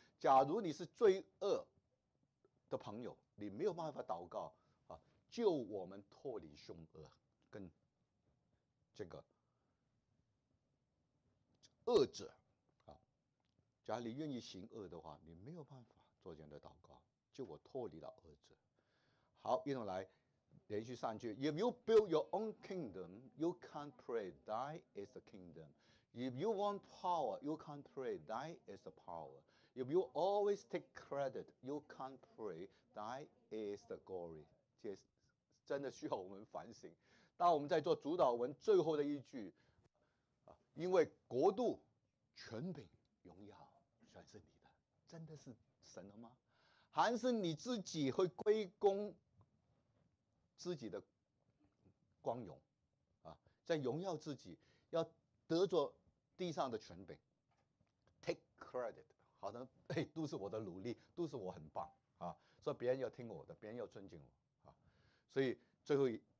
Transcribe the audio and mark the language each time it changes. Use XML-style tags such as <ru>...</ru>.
<zh>假如你是罪恶的朋友，你没有办法祷告啊，救我们脱离凶恶跟。这个恶者啊，假如你愿意行恶的话，你没有办法做这样的祷告，就我脱离了恶者。好，一同来，连续三句。</zh> <en>If you build your own kingdom, you can't pray. Thy is the kingdom. If you want power, you can't pray. Thy is the power. If you always take credit, you can't pray. Thy is the glory.</en> <zh>这真的需要我们反省。当我们在做主导文最后的一句，因为国度、权柄、荣耀全是你的，真的是神了吗？还是你自己会归功自己的光荣啊，在荣耀自己，要得着地上的权柄 ，</zh> <en>take credit，</en> <zh>好的，哎，都是我的努力，都是我很棒啊，所以别人要听我的，别人要尊敬我啊，所以最后一。</zh>